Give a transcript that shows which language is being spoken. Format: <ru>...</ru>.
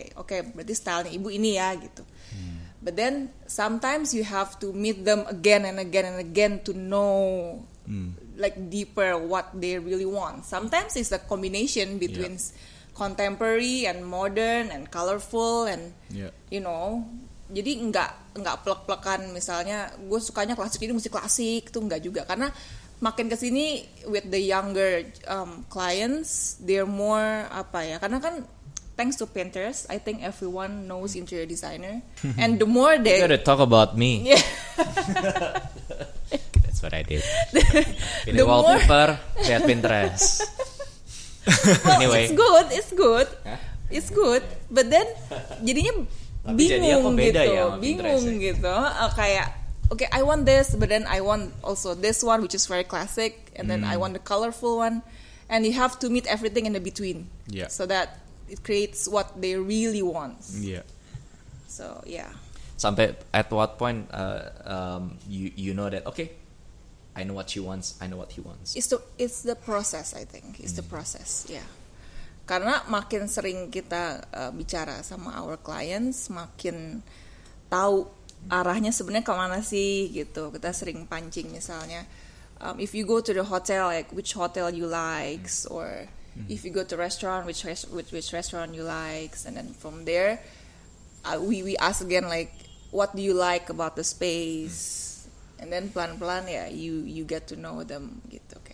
<id>Okay, berarti stylenya ibu ini ya gitu.</id> <en>But then sometimes you have to meet them again and again and again to know. Like deeper what they really want. Sometimes it's a combination between contemporary and modern and colorful and you know.</en> <id>Jadi enggak plek-plekan, misalnya gue sukanya klasik, ini mesti klasik, itu enggak juga. Karena makin kesini</id> <en>with the younger clients, they're more</en> <id>apa ya, karena kan</id> <en>thanks to Pinterest, I think everyone knows interior designer. And the more they, you gotta talk about me. That's what I did.</en> <id>Pilih wallpaper, lihat Pinterest.</id> <en>Well, anyway, it's good. Huh? It's good. But then</en> <id>jadinya bingung gitu.</id> <en>Kayak, okay, I want this, but then I want also this one, which is very classic. And then I want the colorful one. And you have to meet everything in the between. Yeah. So that it creates what they really want. Yeah. So, yeah. Sampai at what point you know that, okay, I know what she wants. I know what he wants. It's the process, I think. It's the process, yeah.</en> <id>Karena makin sering kita bicara sama our clients, makin tahu arahnya sebenarnya kemana sih gitu. Kita sering pancing misalnya,</id> <en>if you go to the hotel, like which hotel you likes, or if you go to restaurant, which restaurant you likes, and then from there, we ask again like, what do you like about the space, and then</en> <id>pelan-pelan ya,</id> <en>you get to know them gitu.</en>